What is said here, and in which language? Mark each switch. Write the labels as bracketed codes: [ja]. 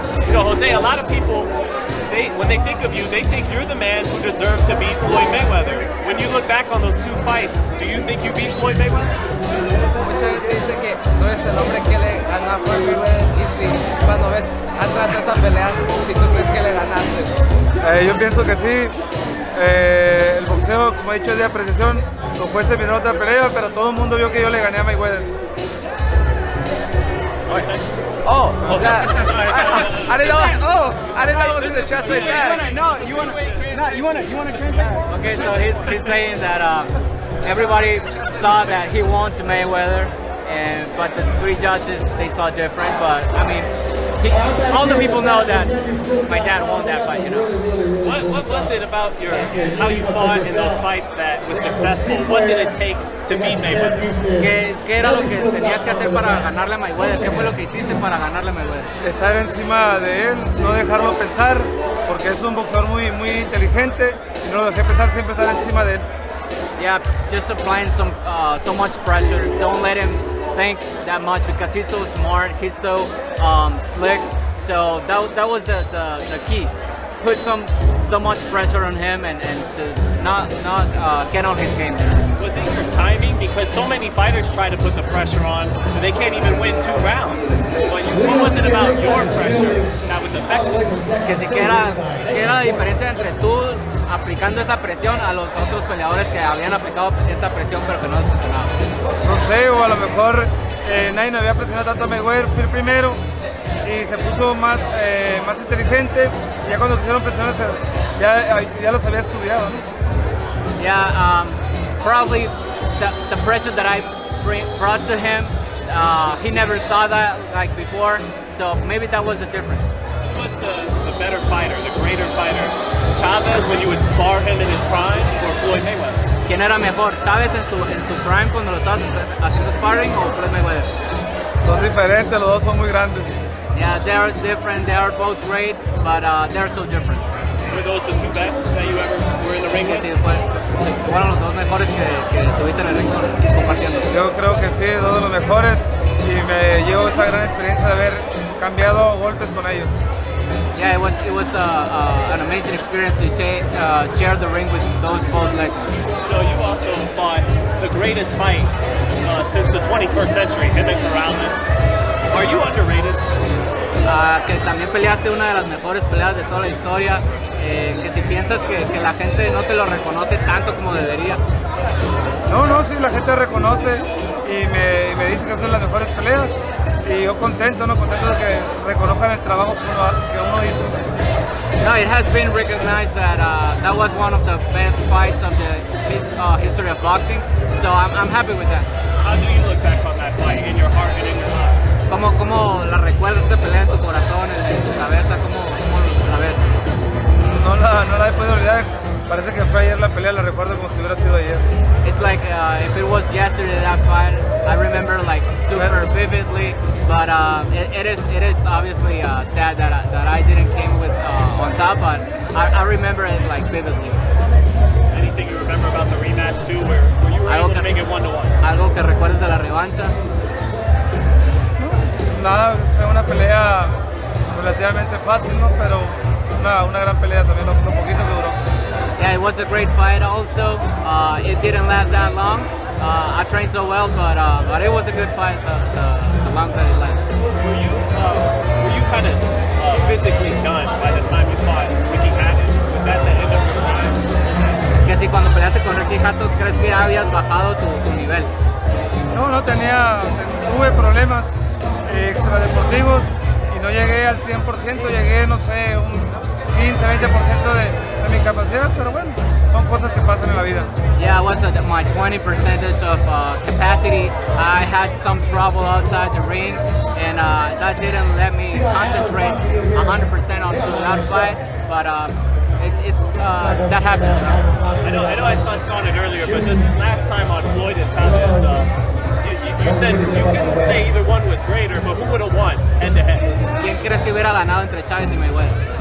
[en] You know, Jose, a lot of people, when they think of you, they think you're the man who deserved to beat Floyd Mayweather. When you look back on those two fights, do you think you beat Floyd Mayweather? [es] Muchas veces dice que tú eres el hombre que le gana a Floyd Mayweather, y si cuando ves atrás esa pelea, si tú crees que le ganaste. Yo pienso que sí. El boxeo, como he dicho, es de apreciación. Los jueces vinieron a otra pelea, pero todo el mundo vio que yo le gané a Mayweather. [en] Oh, [es] o sea, [en] I didn't know what to translate. Okay, so he's saying that everybody saw that he won to Mayweather, but the three judges, they saw different. But I mean, all the people know that my dad won that fight, you know. What was it about how you fought in those fights that was successful? What did it take to beat Mayweather? [es] ¿Qué era lo que tenías que hacer para ganarle a Mayweather? ¿Qué fue lo que hiciste para ganarle a Mayweather? Estar encima de él, no dejarlo pensar, porque es un boxeador muy, muy inteligente, y no lo dejé pensar, siempre estar encima de él. [en] Yeah, just applying so much pressure. Don't let him think that much because he's so smart, he's so slick. So that was the key. Put so much pressure on him and to not get on his game. Was it your timing? Because so many fighters try to put the pressure on, so they can't even win two rounds. But what was it about your pressure that was effective? [es] Que era la diferencia entre tú aplicando esa presión a los otros peleadores que habían aplicado esa presión pero que no les funcionaba. No sé, o a lo mejor nadie me había presionado tanto a Mayweather, fui el primero y se puso más, más inteligente. Ya cuando pusieron presión ya los había estudiado. [en] Yeah, probably the pressure that I brought to him, he never saw that like before, so maybe that was the difference. Who's the better fighter, the greater fighter? Chavez, when you would spar him in his prime, or Floyd Mayweather? [es] ¿Quién era mejor, Chavez en su prime cuando lo estabas haciendo sparring o Floyd Mayweather? Son diferentes, los dos son muy grandes. [en] Yeah, they are different. They are both great, but they are so different. Were those the two best that you ever were in the ring with? [es] Fueron los dos mejores que estuviste en el ring compartiendo. Yo creo que sí, dos de los mejores, y me llevo esa gran experiencia de haber cambiado golpes con ellos. [en] Yeah, it was an amazing experience to share the ring with those both legends. So you also fought the greatest fight since the 21st century, Henry Corrales. Are you underrated? [es] Que también peleaste una de las mejores peleas de toda la historia. Que si piensas que la gente no te lo reconoce tanto como debería. No, sí, la gente reconoce y me dice que son las mejores peleas. Y yo contento, ¿no? Contento de que reconozcan el trabajo que uno hizo. [en] No, it has been recognized that that was one of the best fights of the history of boxing. So I'm happy with that. How do you look back on that fight in your heart and in your mind? [es] ¿Cómo la recuerdas esta pelea en tu corazón, en tu cabeza? ¿Cómo la ves? No la he podido olvidar. Parece que fue ayer la pelea, la recuerdo como si hubiera sido ayer. [en] It's like if it was yesterday that fight, I remember like super vividly, but it is obviously sad that I didn't came with on top, but I remember it like vividly. Anything you remember about the rematch too, where you were able to make it 1-1? [es] Algo que recuerdes de la revancha? Nada, fue una pelea relativamente fácil, ¿no? Pero una gran pelea también, lo un poquito que duró. [en] Yeah, it was a great fight also. It didn't last that long. I trained so well, but it was a good fight, the long that it lasted. Were you kind of physically done by the time you fought Ricky Hatton? Was that the end of your prime? [es] Que si cuando peleaste con Ricky Hatton, ¿crees que habías bajado tu nivel? No tenía, tuve problemas extradeportivos y no llegué al 100%, llegué, no sé, un 15-20% de mi capacidad, pero bueno, son cosas que pasan en la vida. [en] Yeah, it was my 20% of capacity. I had some trouble outside the ring, and that didn't let me concentrate 100% on that fight. But that happened. I know. I touched on it earlier, but this last time on Floyd and Chavez, you said you could say either one was greater, but who would have won head to head? [es] ¿Quién crees que hubiera ganado entre Chavez y Mayweather?